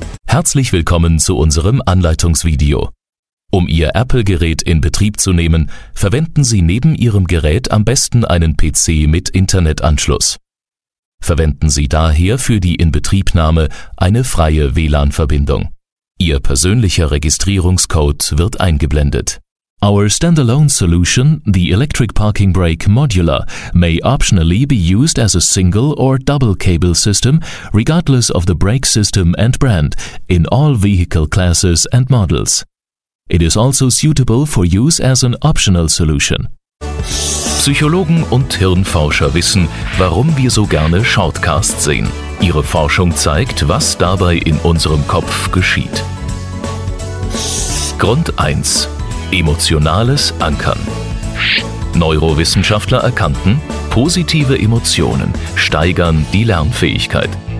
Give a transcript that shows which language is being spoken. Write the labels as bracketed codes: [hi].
[de] Herzlich willkommen zu unserem Anleitungsvideo. Um Ihr Apple-Gerät in Betrieb zu nehmen, verwenden Sie neben Ihrem Gerät am besten einen PC mit Internetanschluss. Verwenden Sie daher für die Inbetriebnahme eine freie WLAN-Verbindung. Ihr persönlicher Registrierungscode wird eingeblendet. [en] Our standalone solution, the Electric Parking Brake Modular, may optionally be used as a single or double cable system, regardless of the brake system and brand, in all vehicle classes and models. It is also suitable for use as an optional solution. [de] Psychologen und Hirnforscher wissen, warum wir so gerne Shoutcasts sehen. Ihre Forschung zeigt, was dabei in unserem Kopf geschieht. Grund 1. Emotionales Ankern. Neurowissenschaftler erkannten, positive Emotionen steigern die Lernfähigkeit.